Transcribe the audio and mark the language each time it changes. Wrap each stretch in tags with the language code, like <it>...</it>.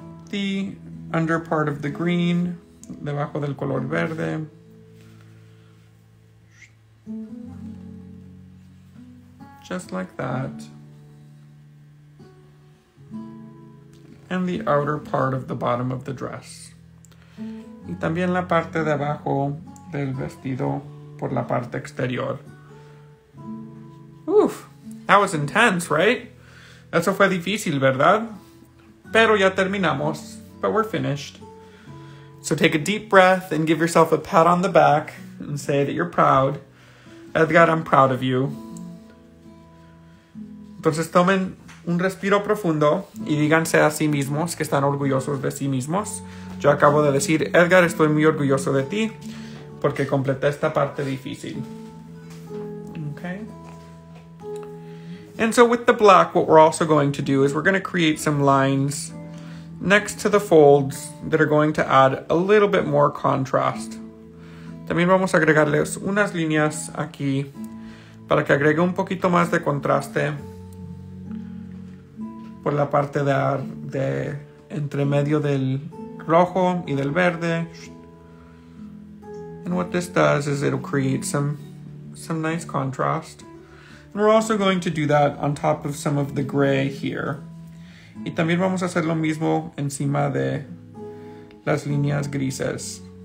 <en>The under part of the green.</en> <es>Debajo del color verde.</es> <en>Just like that. And the outer part of the bottom of the dress.</en> <es>Y también la parte de abajo del vestido por la parte exterior.</es> <en>Oof, that was intense, right?</en> <es>Eso fue difícil, ¿verdad? Pero ya terminamos.</es> <en>But we're finished. So take a deep breath and give yourself a pat on the back and say that you're proud. Edgar, I'm proud of you.</en> <es>Entonces tomen un respiro profundo y díganse a sí mismos que están orgullosos de sí mismos. Yo acabo de decir, Edgar, estoy muy orgulloso de ti porque completé esta parte difícil.</es> <en>Okay. And so with the black, what we're also going to do is we're going to create some lines next to the folds that are going to add a little bit more contrast.</en> <es>También vamos a agregarles unas líneas aquí para que agregue un poquito más de contraste por la parte de entre medio del rojo y del verde.</es> <en>And what this does is it'll create some nice contrast. And we're also going to do that on top of some of the gray here.</en> <es>Y también vamos a hacer lo mismo encima de las líneas grises.</es>